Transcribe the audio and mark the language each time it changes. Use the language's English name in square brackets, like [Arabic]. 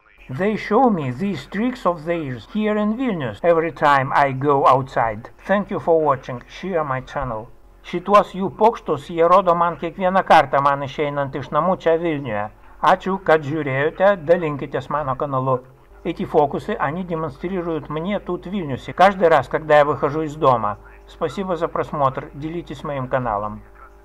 [English] They show me these tricks of theirs here in Vilnius every time I go outside. Thank you for watching. Share my channel. [Lithuanian] Šituos jų pokštus jie rodo man kiekvieną kartą man išeinant iš namų čia Vilniuje. Ačiū, kad žiūrėjote, dalinkitės mano kanalu. [Russian] Эти фокусы они демонстрируют мне тут в Вильнюсе каждый раз, когда я выхожу из дома. Спасибо за просмотр. Делитесь моим каналом.